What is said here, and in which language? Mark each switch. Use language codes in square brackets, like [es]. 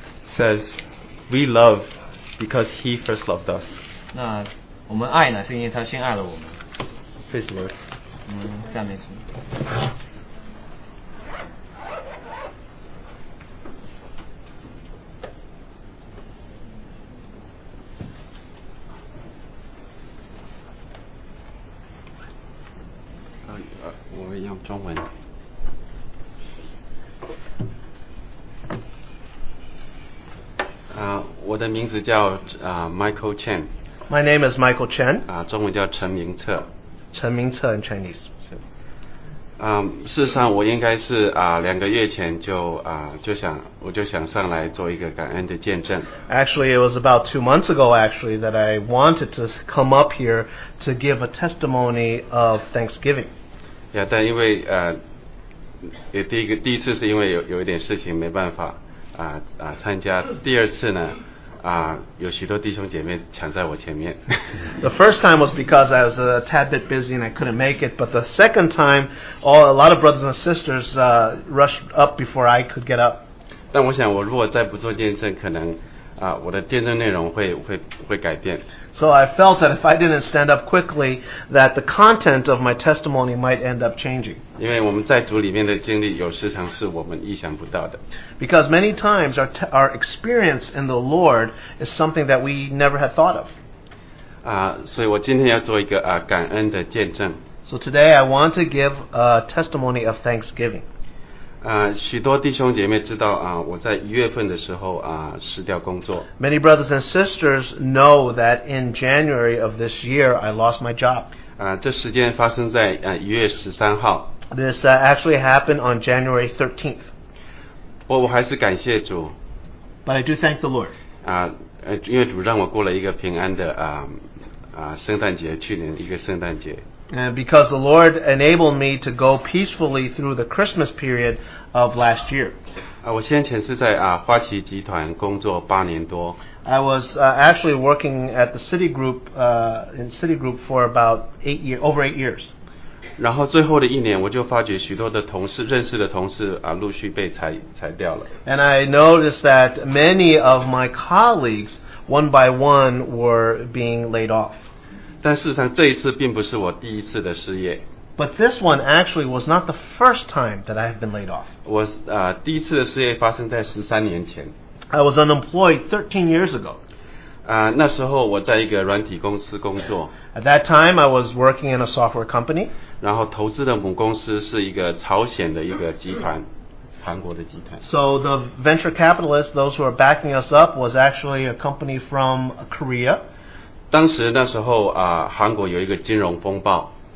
[en] says, "We love because He first loved us." [zh] 那我们爱呢，是因为他先爱了我们。 [en] Praise Lord. [zh] 赞美主。我们用中文。我的名字叫Michael Chen. [en] My name is Michael Chen. [zh] 中文叫陈明策。 [en] 陈明策 in Chinese. [zh] 是。事实上我应该是两个月前就我就想上来做一个感恩的见证。 [en] Actually, it was about 2 months ago, actually, that I wanted to come up here to give a testimony of Thanksgiving. Yeah, [zh] 但因为也第一次是因为有一点事情没办法参加，第二次呢有许多弟兄姐妹抢在我前面。 [en] The first time was because I was a tad bit busy and I couldn't make it, but the second time, a lot of brothers and sisters rushed up before I could get up. [zh] 但我想我如果再不做见证，可能我的见证内容会改变。 [en] So I felt that if I didn't stand up quickly, that the content of my testimony might end up changing. [zh] 因为我们在组里面的经历有时常是我们意想不到的。 [en] Because many times our experience in the Lord is something that we never had thought of. [zh] 所以我今天要做一个感恩的见证。 [en] So today I want to give a testimony of thanksgiving. [zh] 许多弟兄姐妹知道我在一月份的时候失掉工作。 [en] Many brothers and sisters know that in January of this year, I lost my job. [zh] 这时间发生在一月十三号。 [en] This actually happened on January 13th. [zh] 我还是感谢主。 [en] But I do thank the Lord. [zh] 因为主让我过了一个平安的圣诞节，去年一个圣诞节。 [en] And because the Lord enabled me to go peacefully through the Christmas period of last year. [zh] 我先前是在花旗集团工作八年多。 [en] I was actually working at the Citigroup, in Citigroup for about over eight years. [zh] 然后最后的一年我就发觉许多的同事，认识的同事陆续被裁掉了。 [en] And I noticed that many of my colleagues, one by one, were being laid off. [zh] 但事实上这一次并不是我第一次的失业。 [en] But this one actually was not the first time that I have been laid off. [zh] 我第一次的失业发生在13年前。 [en] I was unemployed 13 years ago. [zh] 那时候我在一个软体公司工作。 [en] At that time, I was working in a software company. [zh] 然后投资的母公司是一个朝鲜的一个集团。韩国的集团。 [en] So the venture capitalist, those who are backing us up, was actually a company from Korea. [zh] 当时那时候韩国有一个金融风暴。